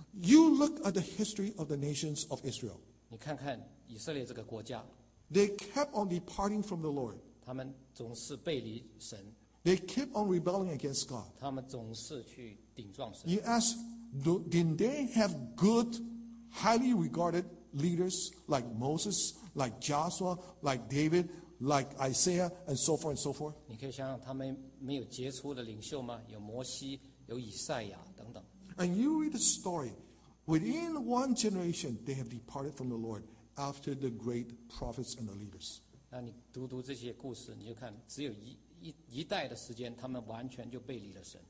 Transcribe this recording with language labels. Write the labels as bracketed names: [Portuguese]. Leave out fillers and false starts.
[English] You look at the history of the nations of Israel. [Chinese] 你看看以色列这个国家。 [English] They kept on departing from the Lord. [Chinese] 他们总是背离神。 [English] They kept on rebelling against God. [Chinese] 他们总是去顶撞神。 [English] You ask, did they have good, highly regarded leaders like Moses, like Joshua, like David, like Isaiah, and so forth and so forth? [Chinese] 你可以想想他们没有杰出的领袖吗？有摩西，有以赛亚等等。 [English] And you read the story. Within one generation, they have departed from the Lord after the great prophets and the leaders. [Chinese] 那你读读这些故事，你就看，只有一代的时间，他们完全就背离了神。